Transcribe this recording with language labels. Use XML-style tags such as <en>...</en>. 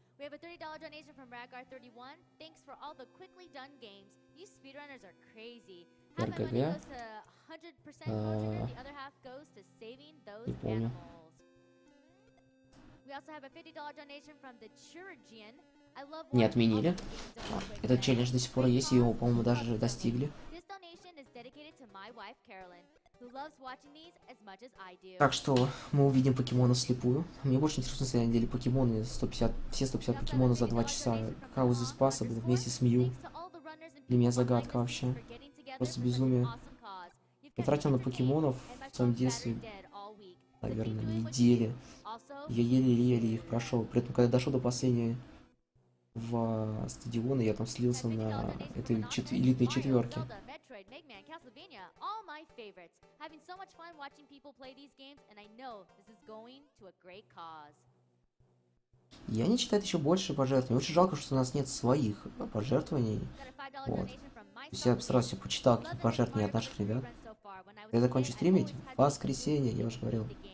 <en>We have a $30 donation from Ragnar 31. Thanks for all the quickly done games. You speedrunners are crazy. Half of money goes to 100% the other half goes to saving those animals. We also have a $50 donation from the Chirurgian. I love.</en> <ru>Не отменили. Этот челлендж до сих пор есть, и его, по-моему, даже достигли.</ru> <en>This donation is dedicated to my wife Carolyn, who loves watching these as much as I do.</en> <ru>Так что мы увидим покемонов вслепую. Мне больше интересно, если на самом деле покемоны 150, все 150 покемонов за 2 часа Каузы Спаса будут вместе с Мью. Для меня загадка вообще. Просто безумие. Я тратил на покемонов в своем детстве, наверное, недели. Я еле-еле их прошел. При этом, когда я дошел до последнего в стадионе, я там слился на этой элитной четверке.</ru> <en>Megman, Castlevania, all my favorites. Having so much fun watching people play these games, and I know this is going to a great cause.</en> <ru>Я не считаю еще больше пожертвований. Очень жалко, что у нас нет своих пожертвований. Вот. Все сразу все почитал пожертвования от наших ребят. Я закончу стримить в воскресенье, я уже говорил.</ru>